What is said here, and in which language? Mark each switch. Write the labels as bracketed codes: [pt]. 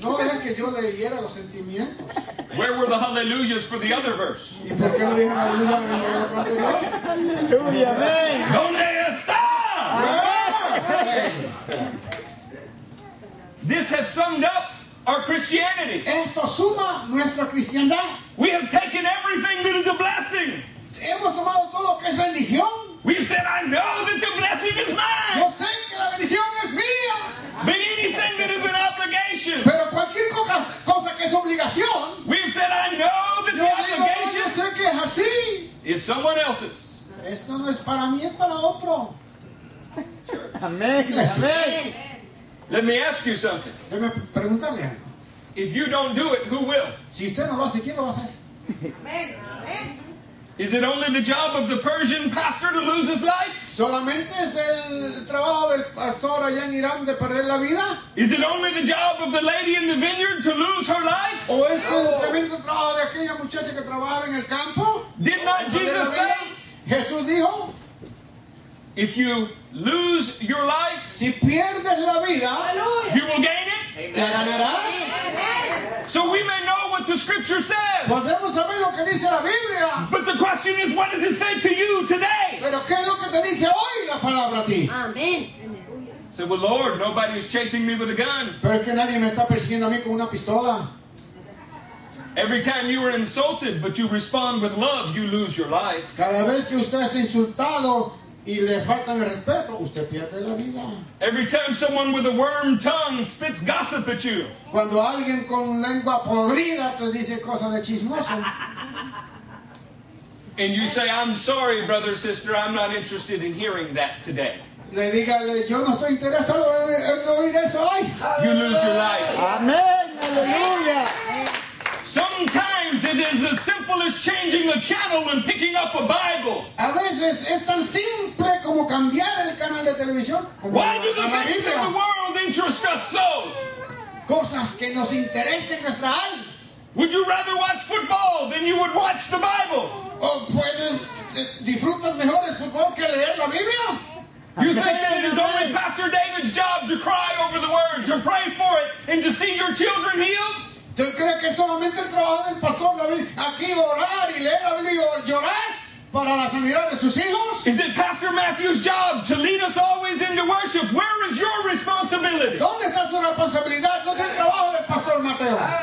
[es] No dejen que yo le hiera los sentimientos. [en] Where were the hallelujahs for the other verse? [es] ¿Y por qué no dijeron aleluya en el otro anterior? Aleluya, amén. ¿Dónde está? [en] This has summed up our Christianity. [es] Esto suma nuestra cristiandad. [en] We have taken everything that is a blessing. [es] Hemos tomado todo lo que es bendición. [en] We've said, I know that the blessing is mine. [es] Yo sé que la bendición es mía. [en] But anything that is an obligation. [es] Pero cualquier cosa que es obligación. [en] We've said, I know that the obligation. [es] Yo sé que es así. [en] Is someone else's. [es] Esto no es para mí, es para otro. Amén. Amén. [en] Let me ask you something. [es] Déjame preguntarle algo. [en] If you don't do it, who will? [es] Si usted no lo hace, ¿quién lo va a hacer? Amén. Amén. [en] Is it only the job of the Persian pastor to lose his life? [es] ¿Solamente es el trabajo del pastor allá en Irán de perder la vida? [en] Is it only the job of the lady in the vineyard to lose her life? [es] ¿O es el trabajo de aquella muchacha que trabajaba en el campo? [en] Did not Jesus say? [es] Jesús dijo, [en] if you lose your life, [es] si pierdes la vida, [en] you will gain it. [es] La ganarás. [en] So we may know what the scripture says. [es] Podemos saber lo que dice la Biblia. [en] But the question is, what does it say to you today? [es] Pero ¿qué es lo que te dice hoy la palabra a ti? Amén. [en] Say, well, Lord, nobody is chasing me with a gun. [es] Pero es que nadie me está persiguiendo a mí con una pistola. [en] Every time you are insulted, but you respond with love, you lose your life. [es] Cada vez que usted es insultado y le faltan el respeto, usted pierde la vida. [en] Every time someone with a worm tongue spits gossip at you. [es] Cuando alguien con lengua podrida te dice cosas de chismoso. [en] And you say, I'm sorry, brother, sister, I'm not interested in hearing that today. [es] Le diga, yo no estoy interesado en oír eso hoy. [en] You lose your life. [es] Amén, aleluya. [en] Sometimes it is as simple as changing a channel and picking up a Bible. [es] A veces es tan simple como cambiar el canal de televisión. [en] Why do the things of the world interest us so? [es] Cosas que nos interesen nuestra alma. [en] Would you rather watch football than you would watch the Bible? [es] ¿O puedes disfrutas mejor el fútbol que leer la Biblia? [en] You think that it is only Pastor David's job to cry over the word, to pray for it, and to see your children healed? [es] ¿Tú crees que solamente el trabajo del pastor David aquí orar y leer la Biblia y llorar para la sanidad de sus hijos? [en] Is it Pastor Matthew's job to lead us always into worship? Where is your responsibility? [es] ¿Dónde está su responsabilidad? ¿No es el trabajo del pastor Mateo?